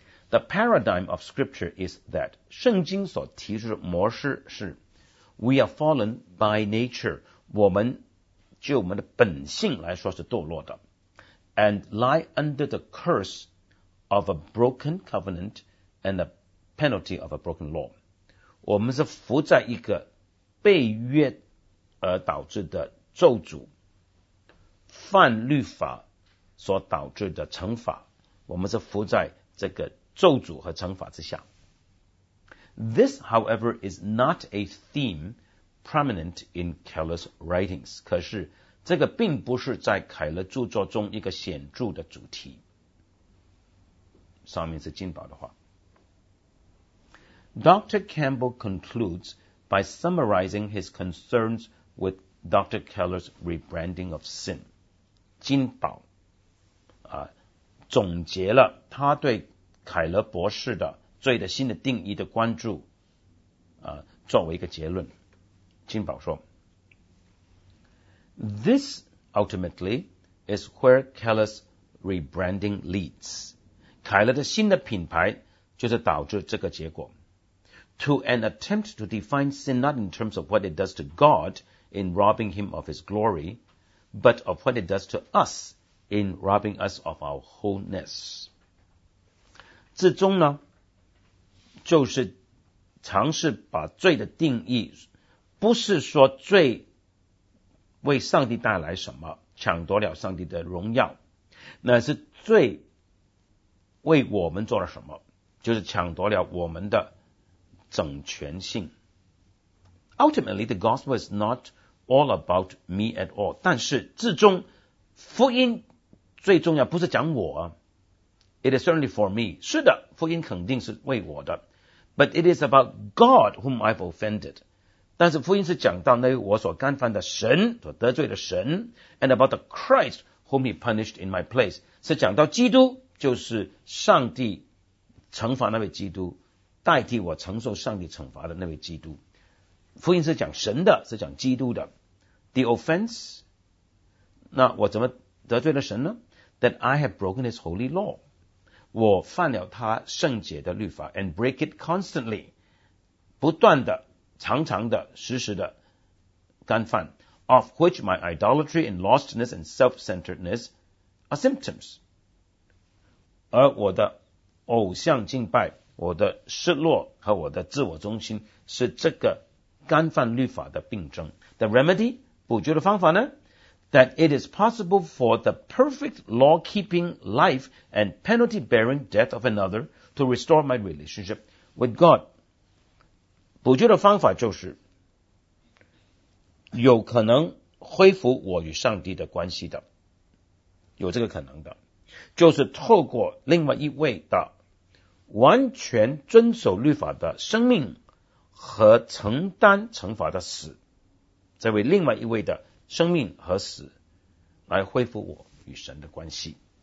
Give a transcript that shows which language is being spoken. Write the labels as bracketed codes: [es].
[en] The paradigm of scripture is that [zh] 圣经所提出的模式是 [en] We are fallen by nature [zh] 我们就我们的本性来说是堕落的 [en] And lie under the curse of a broken covenant and the penalty of a broken law [zh] 我们是伏在一个被约而导致的咒诅犯律法所导致的惩罚我们是伏在这个咒诅和惩罚之下。 [en] This, however, is not a theme prominent in Keller's writings. [zh] 可是这个并不是在凯勒著作中一个显著的主题。上面是金宝的话。Dr. [en] Campbell concludes by summarizing his concerns with Dr. Keller's rebranding of sin. [zh] 金宝总结了他对凯勒博士的罪的新的定义的关注作为一个结论金宝说 [en] This ultimately is where Keller's rebranding leads [zh] 凯勒的新的品牌就是导致这个结果 [en] To an attempt to define sin not in terms of what it does to God in robbing him of his glory but of what it does to us in robbing us of our wholeness [zh] 至终呢，就是尝试把罪的定义，不是说罪为上帝带来什么，抢夺了上帝的荣耀，那是罪为我们做了什么，就是抢夺了我们的整全性。 [en] Ultimately, the gospel is not all about me at all. [zh] 但是至终，福音最重要不是讲我啊。 [en] It is certainly for me. [zh] 是的，福音肯定是为我的。 [en] But it is about God whom I've offended. [zh] 但是福音是讲到那个我所干犯的神，所得罪的神。 [en] And about the Christ whom he punished in my place. [zh] 是讲到基督，就是上帝惩罚那位基督，代替我承受上帝惩罚的那位基督。福音是讲神的，是讲基督的。 [en] The offense? [zh] 那我怎么得罪了神呢？ [en] That I have broken his holy law. [zh] 我犯了他圣洁的律法 [en] and break it constantly [zh] 不断的常常的时时的干犯 [en] of which my idolatry and lostness and self-centeredness are symptoms [zh] 而我的偶像敬拜我的失落和我的自我中心是这个干犯律法的病症 [en] The remedy [zh] 补救的方法呢 [en] that it is possible for the perfect law-keeping life and penalty-bearing death of another to restore my relationship with God. [zh] 补救的方法就是有可能恢复我与上帝的关系的，有这个可能的，就是透过另外一位的完全遵守律法的生命和承担惩罚的死，这位另外一位的生命和死来恢复我与神的关系。